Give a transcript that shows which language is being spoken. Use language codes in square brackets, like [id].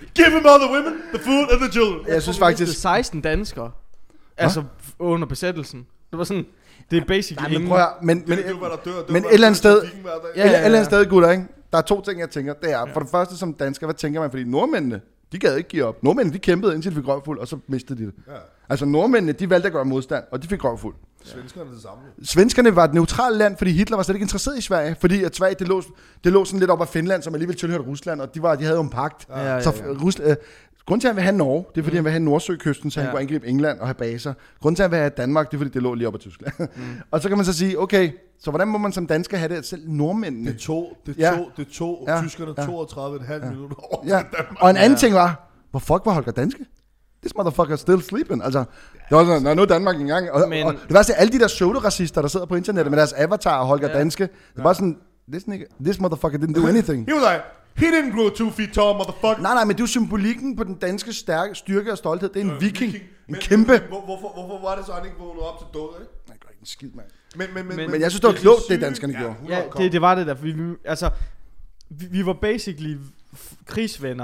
[en] Give him all the women, the food and the children. [da] Jeg synes faktisk... 16 danskere. Altså, under besættelsen. Det var sådan... Det er basically... Nej, men prøv at, Men et eller andet sted, gutter, ikke? Der er to ting, jeg tænker. Det er, for det første som dansker, hvad tænker man? Fordi nordmændene, de gad ikke give op. Nordmændene, de kæmpede indtil de fik røvfuld, og så mistede de det. Ja. Altså nordmændene, de valgte at gøre modstand, og de fik røvfuld. Svenskerne det samme. Svenskerne var et neutralt land, fordi Hitler var slet ikke interesseret i Sverige, fordi at Sverige, det lå sådan lidt op af Finland, som alligevel tilhørte Rusland, og de havde jo en pagt. Ja, ja, ja. Grunden til, at han vil have Norge, det er, fordi han vil have Nordsøkysten, så han kunne angribe England og have baser. Grunden til, at han vil have Danmark, det er, fordi det lå lige op af Tyskland. Mm. Og så kan man så sige, okay, så hvordan må man som dansker have det, at selv nordmændene... Det tog tyskerne 32,5 minutter over til Danmark. Og en anden ting var, hvor fuck var Holger Danske? [en] This motherfucker still sleeping. [da] Altså, det var sådan, nå, nu er Danmark engang. Og det var altså alle de der pseudo-racister, der sidder på internettet med deres avatar og Holger Danske. Det var sådan, [en] this motherfucker didn't do anything. He was like, he didn't grow 2 feet tall, motherfucker. [da] Nej, men det er symbolikken på den danske stærke, styrke og stolthed. Det er en viking. En kæmpe. Hvorfor var det så, han ikke vågnede op til døde? Nej, gør ikke en skid, mand. Men jeg synes, det var klogt, det danskerne gjorde. Ja, det var det der. Vi var basically krigsvenner.